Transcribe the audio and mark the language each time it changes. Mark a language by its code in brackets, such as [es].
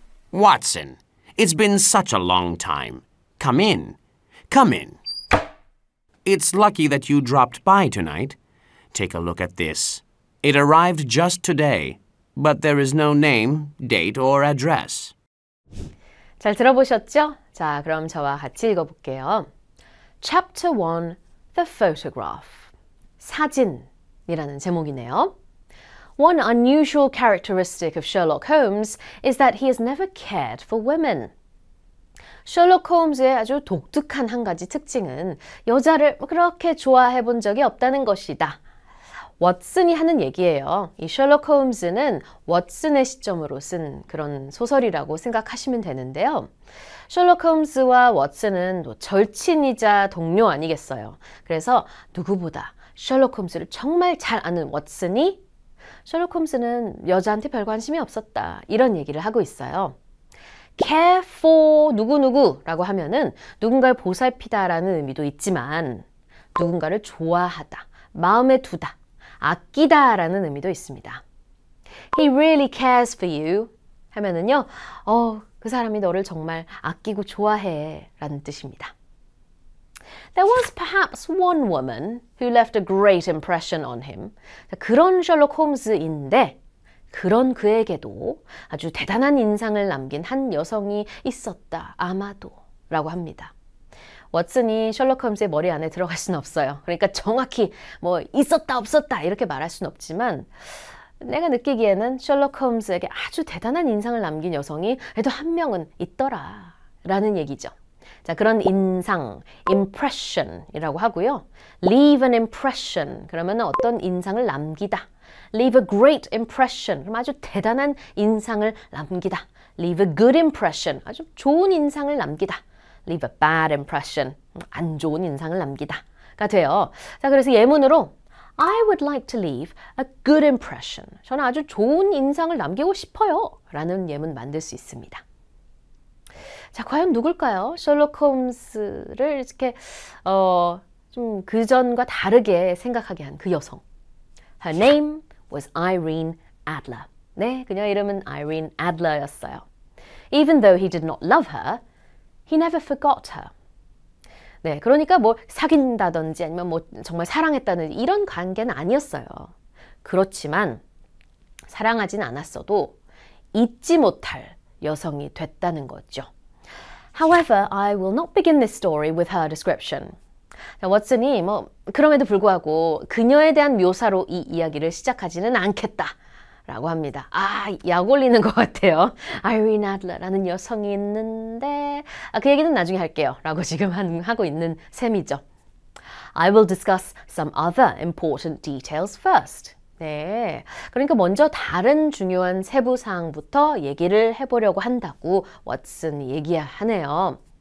[en] Watson, it's been such a long time. Come in. Come in. It's lucky that you dropped by tonight. Take a look at this. It arrived just today. But there is no name, date, or address. [ko] 잘 들어보셨죠? 자, 그럼 저와 같이 읽어볼게요. [en] Chapter 1, The Photograph. [ko] 사진이라는 제목이네요. [en] One unusual characteristic of Sherlock Holmes is that he has never cared for women. [ko] 셜록 홈즈의 아주 독특한 한 가지 특징은 여자를 그렇게 좋아해 본 적이 없다는 것이다. 워슨이 하는 얘기예요. 이 셜록 홈즈는 워슨의 시점으로 쓴 그런 소설이라고 생각하시면 되는데요. 셜록 홈즈와 워슨은 또 절친이자 동료 아니겠어요. 그래서 누구보다 셜록 홈즈를 정말 잘 아는 워슨이 셜록 홈즈는 여자한테 별 관심이 없었다. 이런 얘기를 하고 있어요. care for 누구누구라고 하면은 누군가를 보살피다라는 의미도 있지만 누군가를 좋아하다, 마음에 두다, 아끼다 라는 의미도 있습니다. [en] He really cares for you [ko] 하면은요, 그 사람이 너를 정말 아끼고 좋아해 라는 뜻입니다. [en] There was perhaps one woman who left a great impression on him. [ko] 그런 셜록 홈즈인데, 그런 그에게도 아주 대단한 인상을 남긴 한 여성이 있었다, 아마도 라고 합니다. 워슨이 셜록 홈즈의 머리 안에 들어갈 순 없어요. 그러니까 정확히 뭐 있었다 없었다 이렇게 말할 순 없지만 내가 느끼기에는 셜록 홈즈에게 아주 대단한 인상을 남긴 여성이 그래도 한 명은 있더라 라는 얘기죠. 자, 그런 인상, impression 이라고 하고요. [en] leave an impression [ko] 그러면 어떤 인상을 남기다. [en] leave a great impression [ko] 그럼 아주 대단한 인상을 남기다. [en] leave a good impression [ko] 아주 좋은 인상을 남기다. [en] leave a bad impression, [ko] 안 좋은 인상을 남기다가 돼요. 자, 그래서 예문으로 [en] I would like to leave a good impression. [ko] 저는 아주 좋은 인상을 남기고 싶어요. 라는 예문 만들 수 있습니다. 자, 과연 누굴까요? 셜록 홈즈를 이렇게 좀 그전과 다르게 생각하게 한 그 여성. [en] Her name was Irene Adler. [ko] 네, 그녀 이름은 Irene Adler였어요. [en] Even though he did not love her, He never forgot her. [ko] 네, 그러니까 뭐 사귄다든지 아니면 뭐 정말 사랑했다는 이런 관계는 아니었어요. 그렇지만 사랑하진 않았어도 잊지 못할 여성이 됐다는 거죠. [en] However, I will not begin this story with her description. [ko] 자, 워슨이 뭐 그럼에도 불구하고 그녀에 대한 묘사로 이 이야기를 시작하지는 않겠다. 라고 합니다. 아, 약 올리는 것 같아요. Irene Adler라는 여성이 있는데 아, 그 얘기는 나중에 할게요. 라고 지금 하고 있는 셈이죠. [en] I will discuss some other important details first. [ko] 네, 그러니까 먼저 다른 중요한 세부사항부터 얘기를 해보려고 한다고 Watson 얘기하네요.